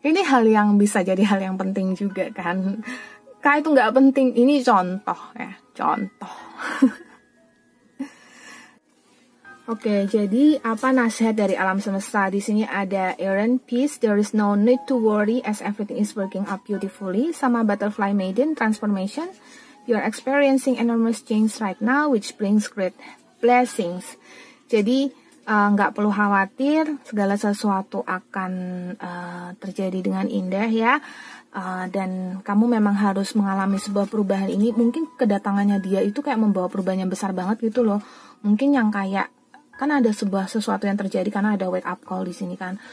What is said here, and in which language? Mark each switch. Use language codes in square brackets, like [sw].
[id] Ini hal yang bisa jadi hal yang penting juga kan. Kak, itu nggak penting. Ini contoh ya, contoh. Oke, jadi apa nasihat dari alam semesta? Di sini ada [en] Aaron Peace, there is no need to worry as everything is working out beautifully. [id] Sama [en] Butterfly Maiden, Transformation. You're experiencing enormous change right now, which brings great blessings. [id] Jadi, gak perlu khawatir, segala sesuatu akan terjadi dengan indah ya. Dan kamu memang harus mengalami sebuah perubahan ini. Mungkin kedatangannya dia itu kayak membawa perubahan yang besar banget gitu loh. Mungkin yang kayak, kan ada sebuah sesuatu yang terjadi karena ada wake up call di sini kan.